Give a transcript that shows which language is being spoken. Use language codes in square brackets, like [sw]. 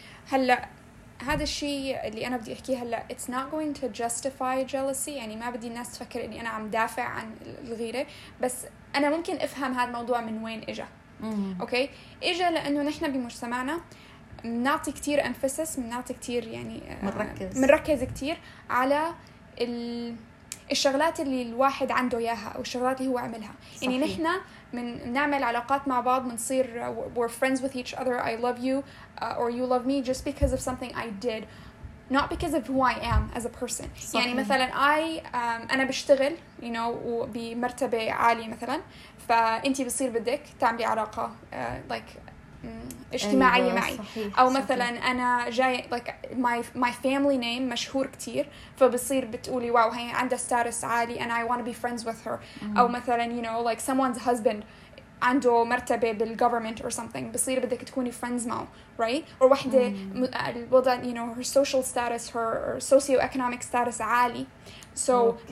[ar] هلا هذا الشيء اللي انا بدي احكيه هلا [en] it's not going to justify jealousy, [ar] يعني ما بدي الناس تفكر اني انا عم دافع عن الغيرة, بس انا ممكن افهم هذا الموضوع من وين اجا. اوكي. اجا لانه نحن بمجتمعنا نعطي كتير emphasis, نعطي كتير يعني منركز كتير على الشغلات اللي الواحد عنده إياها أو الشغلات اللي هو عملها. صحيح. يعني نحنا نعمل علاقات مع بعض منصير [en] we're friends with each other, I love you or you love me just because of something I did, not because of who I am as a person. [ar] صحيح. يعني مثلا أنا بشتغل, you know, وبمرتبة عالية مثلا, فأنتي بصير بدك تعملي علاقة like اجتماعية. أيوة. معي. صحيح. او مثلا صحيح. انا جاي [en] like my family name [ar] مشهور كتير فبصير بتقولي واو هي عندها [en] status عالي and I want to be friends with her. [ar] او مثلا [en] you know like someone's husband [ar] عنده مرتبة [en] بالgovernment or something [ar] بصير بدك تكوني [en] friends معه, right? or [ar] واحدة الوضع [en] you know her social status her socioeconomic status عالي. So okay.